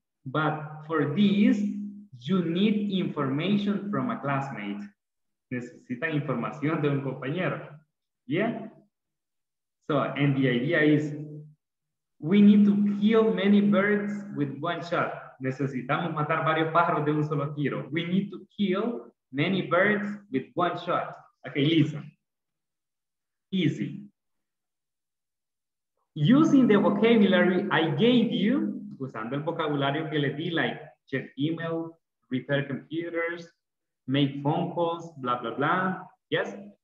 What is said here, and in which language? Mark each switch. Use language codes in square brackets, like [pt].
[en] But for this, you need information from a classmate. [es] Necesita información de un compañero. Yeah? [en] So, and the idea is, we need to kill many birds with one shot. [es] Necesitamos matar varios pájaros de un solo tiro. [en] We need to kill many birds with one shot. Okay, listen. Easy. Using the vocabulary I gave you, [es] usando el vocabulario que le di, [en] like check email, repair computers, make phone calls, blah, blah, blah. Yes?